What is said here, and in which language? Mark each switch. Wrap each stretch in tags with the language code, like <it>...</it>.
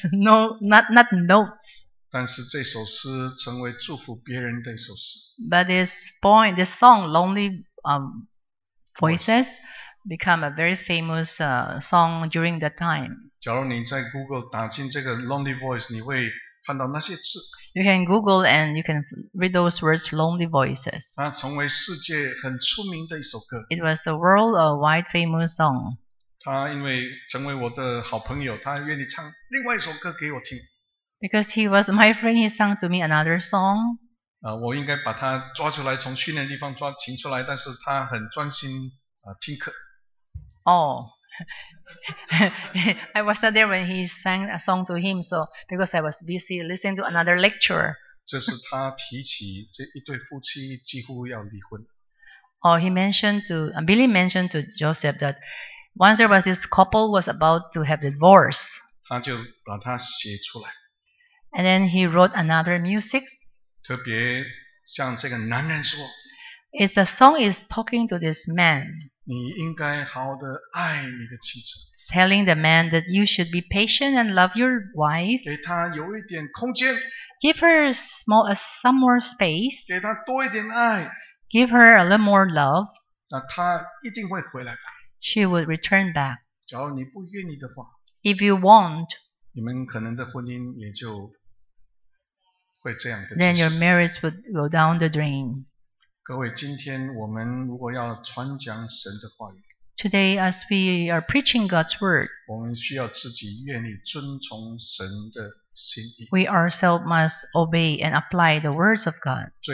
<en>No, not notes.</en> <zh>但是这首诗成为祝福别人的一首诗。</zh> <en>But this poem, this song, Lonely Voices, become a very famous song during that time.</en> <zh>假如你在 Google 打进这个 Lonely Voice, 你会看到那些字。</zh> <en>You can Google and you can read those words, Lonely Voices.</en> <zh>它成为世界很出名的一首歌。</zh> <en>It was a worldwide famous song.</en> <zh>他因为成为我的好朋友，他愿意唱另外一首歌给我听。</zh> <en>Because he was my friend, he sang to me another song.</en> <zh>我应该把他抓出来，从训练地方抓请出来，但是他很专心听课。</zh> <en>Oh, I was not there when he sang a song to him. So because I was busy listening to another lecture.</en> <zh>这是他提起这一对夫妻几乎要离婚。</zh> <en>Oh, he mentioned to Billy mentioned to Joseph that once there was this couple was about to have divorce.</en> <zh>他就把他写出来。</zh> <en>And then he wrote another music.</en> <zh>特别向这个男人说。</zh> <en>It's the song is talking to this man.</en> <zh>你应该好好的爱你的妻子。</zh> <en>telling the man that you should be patient and love your wife.</en> <zh>给她有一点空间,</zh> <en>give her small, some more space.</en> <zh>给她多一点爱,</zh> <en>give her a little more love.</en> <zh>那她一定会回来的,</zh> <en>she would return back.</en> <zh>假如你不愿意的话,</zh> <en>if you won't,</en> <zh>你们可能的婚姻也就会这样的,</zh> <en>then your marriage would go down the drain.</en> <zh>各位，今天我们如果要传讲神的话语,</zh> <en>today, as we are preaching God's word, we ourselves must obey and apply the words of God.</en>